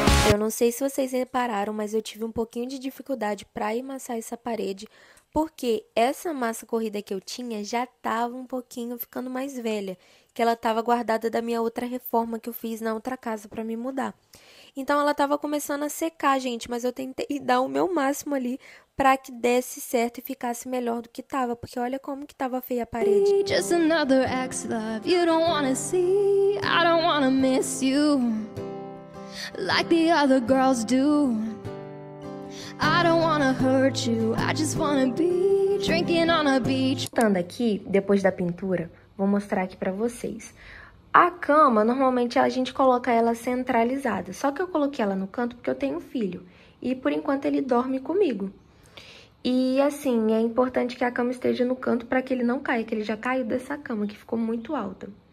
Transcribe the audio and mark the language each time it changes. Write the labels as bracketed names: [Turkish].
[Portuguese] Eu não sei se vocês repararam, mas eu tive um pouquinho de dificuldade para emassar essa parede, porque essa massa corrida que eu tinha já estava um pouquinho ficando mais velha, que ela estava guardada da minha outra reforma que eu fiz na outra casa para me mudar. Então ela estava começando a secar, gente, mas eu tentei dar o meu máximo ali para que desse certo e ficasse melhor do que estava, porque olha como que estava feia a parede. [English] Just another ex-love you don't wanna see, I don't wanna miss you. Like the other girls do. I don't wanna hurt you. I just wanna be drinking on a beach. [Portuguese] Voltando aqui, depois da pintura, vou mostrar aqui pra vocês. A cama, normalmente a gente coloca ela centralizada. Só que eu coloquei ela no canto porque eu tenho um filho. E por enquanto ele dorme comigo. E assim, é importante que a cama esteja no canto para que ele não caia, que ele já caiu dessa cama que ficou muito alta.